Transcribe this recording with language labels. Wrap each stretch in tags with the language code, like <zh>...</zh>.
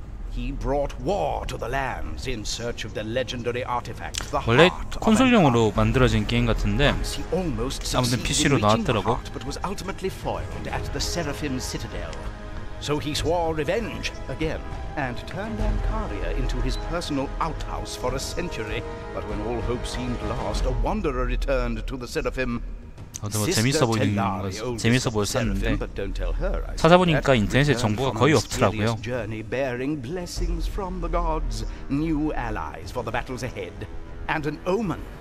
<en>He brought war to the lands in search of the legendary artifact.</en> <ko>원래 콘솔용으로 만들어진 게임 같은데 아무튼 PC로 나왔더라고.</ko> <en>But was ultimately foiled at the Seraphim Citadel. So he swore revenge again and turned Ankaria into his personal outhouse for a century. But when all hope seemed lost, a wanderer returned to the Seraphim.</en> <ko>재밌어 보였었는데 찾아보니까 인터넷에 정보가 거의 없더라고요.</ko> <en>Journey bearing blessings from the gods, new allies for the battles ahead, and an omen.</en>